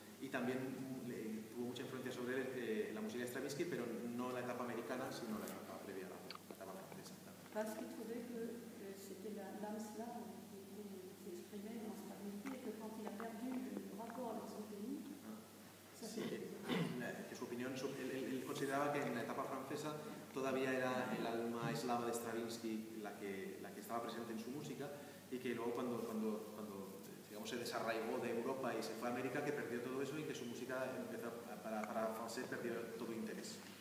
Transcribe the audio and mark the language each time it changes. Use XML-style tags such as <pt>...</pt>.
<es>también tuvo mucha influencia sobre él la música de Stravinsky, pero no la etapa americana, sino la etapa previa a la etapa francesa.</es> <fr>Parce qu'il trouvait que c'était l'âme cela qui s'exprimait dans Stravinsky et que quand il a perdu le rapport avec son pays,</fr> <es>que su opinión, él consideraba que en la etapa francesa todavía era el alma eslava de Stravinsky la que estaba presente en su música, y que luego cuando digamos se desarraigó de Europa y se fue a América, que perdió todo eso y que su música empezó, para francés perdió todo interés.</es>